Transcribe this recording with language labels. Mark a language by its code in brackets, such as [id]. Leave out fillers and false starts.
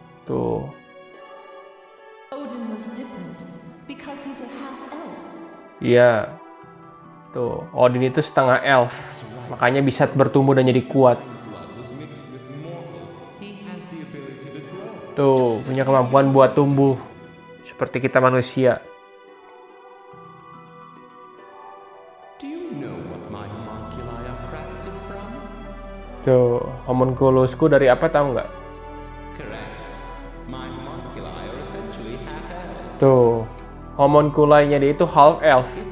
[en] Odin was different because he's a half elf. [id] Iya. Tuh, Odin itu setengah elf. Makanya bisa bertumbuh dan jadi kuat. Tuh, punya kemampuan buat tumbuh seperti kita manusia. [en] Do you know what my homunculi are crafted from? [id] Tuh, homunculusku dari apa tahu enggak? Tuh, homunculainya dia itu half elf.